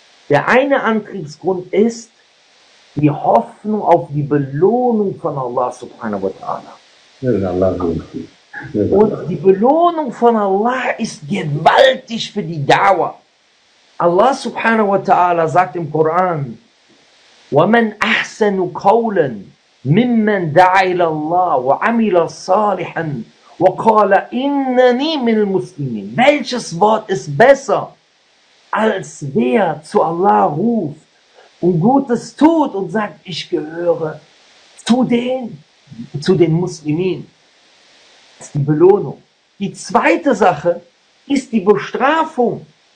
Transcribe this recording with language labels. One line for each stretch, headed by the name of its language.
German: Der eine Antriebsgrund ist die Hoffnung auf die Belohnung von Allah subhanahu wa ta'ala. Und die Belohnung von Allah ist gewaltig für die Dawah. Allah subhanahu wa ta'ala sagt im Koran,
Arabic: وَمَنْ أَحْسَنُ قَوْلًا مِمَّنْ دَعَى إِلَى اللَّهِ وَعَمِلَ صَالِحًا وَقَالَ إِنَّنِي مِنَ الْمُسْلِمِينَ.
German: Welches Wort ist besser, als wer zu Allah ruft, und Gutes tut und sagt, ich gehöre zu den Muslimin. Das ist die Belohnung. Die zweite Sache ist die Bestrafung.